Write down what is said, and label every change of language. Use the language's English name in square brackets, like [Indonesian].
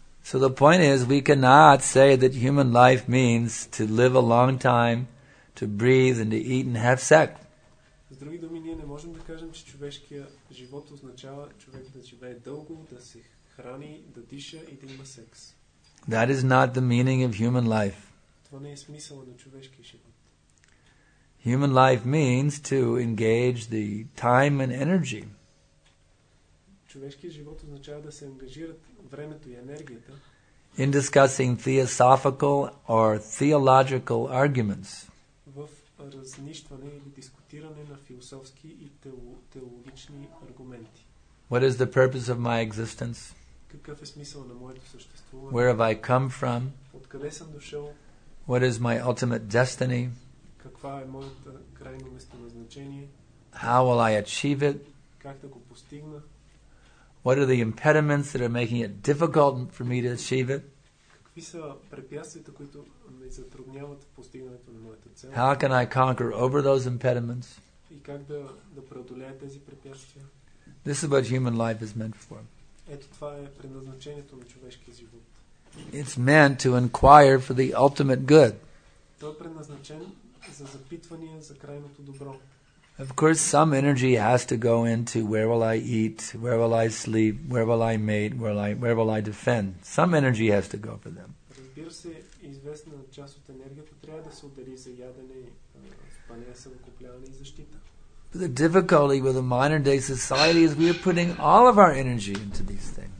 [English] So the point is, we cannot say that human life means to live a long time, to breathe and to eat and have sex. [Bulgarian] С други думи, ние не можем да кажем, че човешкият живот означава човек да живее дълго, да се храни, да диша и да има секс. [English] That is not the meaning of human life. [Bulgarian] Това не е смисъла на човешкия живот. [English] Human life means to engage the time and energy. [Bulgarian] Човешкият живот означава да се ангажират времето и енергията. [English] In discussing theosophical or theological arguments. [Bulgarian] В разнищване или дискутиране на философски и теологични аргументи. [English] What is the purpose of my existence? [Bulgarian] Какъв е смисъл на моето съществуване? [English] Where have I come from? [Bulgarian] Откъде съм дошъл? [English] What is my ultimate destiny? [Bulgarian] Каква е моята крайно местоназначение? [English] How will I achieve it? [Bulgarian] Как да го постигна? [English] What are the impediments that are making it difficult for me to achieve it? [Bulgarian] Какви са препятствията, които ме затрудняват в постигането на моята цел? [English] How can I conquer over those impediments? [Bulgarian] И как да преодолея тези препятствия? [English] This is what human life is meant for. [Bulgarian] Ето това е предназначението на човешкия живот. [English] It's meant to inquire for the ultimate good. [Bulgarian] Той е предназначен за запитвания за крайното добро. [English] Of course, some energy has to go into where will I eat, where will I sleep, where will I mate, where will I defend. Some energy has to go for them. [Bulgarian] Разбира се, известна част от енергията трябва да се отдели за ядене, спане, съвкупляване и защита. [English] But the difficulty with the modern day society is we are putting all of our energy into these things.